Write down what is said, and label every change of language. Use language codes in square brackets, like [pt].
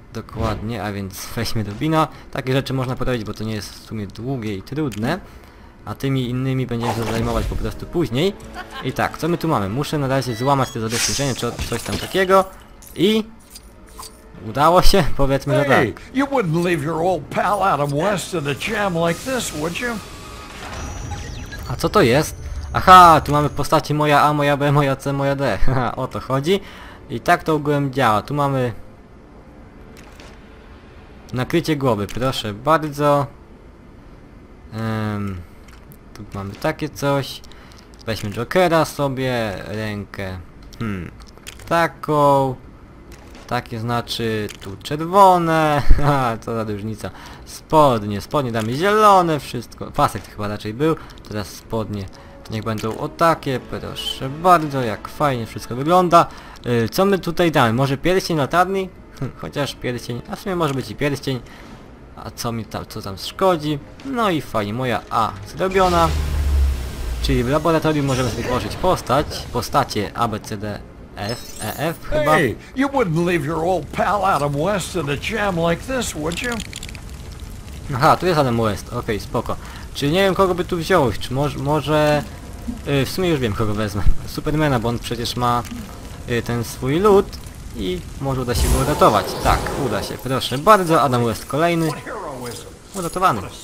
[pl] Dokładnie, a więc weźmy Robina. Takie rzeczy można poradzić, bo to nie jest w sumie długie i trudne. A tymi innymi będziemy się zajmować po prostu później. I tak, co my tu mamy? Muszę na razie złamać te zabezpieczenie, czy coś tam takiego. I Udało się, powiedzmy, że tak. [en] You wouldn't leave your old pal out of west of the jam like this, would you? [pl] A co to jest? Aha, tu mamy postaci moja A, moja B, moja C, moja D. Haha, o to chodzi. I tak to ogółem działa. Tu mamy... nakrycie głowy, proszę bardzo. Tu mamy takie coś. Weźmy Jokera sobie, rękę. Taką. Takie znaczy tu czerwone. Haha, co za różnica. Spodnie, spodnie damy zielone, wszystko. Pasek to chyba raczej był. Teraz spodnie. Niech będą o takie, proszę bardzo, jak fajnie wszystko wygląda. Co my tutaj damy? Może pierścień latarni? Chociaż pierścień, a w sumie może być i pierścień. A co mi tam, co tam szkodzi? No i fajnie, moja A zrobiona. Czyli w laboratorium możemy sobie tworzyć postać. Postacie A, B, C, D, F, E, F chyba. [en] Hey, you wouldn't leave your old pal Adam West in a jam like this, would you? [pl] Aha, tu jest Adam West, okej, spoko. Czyli nie wiem, kogo by tu wziąłeś, czy może... w sumie już wiem, kogo wezmę. Supermana, bo on przecież ma ten swój lód i może uda się go uratować. Tak, uda się. Proszę bardzo, Adam West kolejny. Uratowany.